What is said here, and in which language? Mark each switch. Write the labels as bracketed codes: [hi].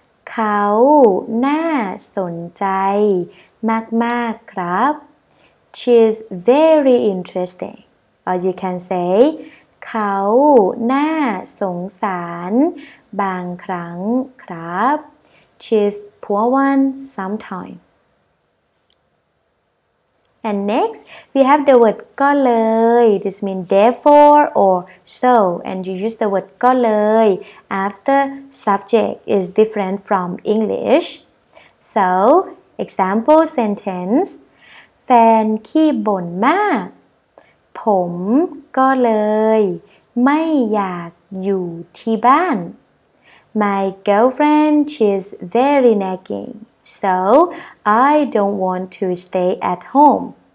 [th] เขาน่าสนใจมากๆครับ [en] She is very interesting. Or you can say, [th] เขาน่าสงสารบางครั้งครับ [en] She is poor one sometimes. And next, we have the word ก็เลย This means therefore or so. And you use the word ก็เลย after subject is different from English. So, example sentence [th] แฟนขี้บ่นมากผมก็เลยไม่อยากอยู่ที่บ้าน [en] My girlfriend she is very nagging so I don't want to stay at home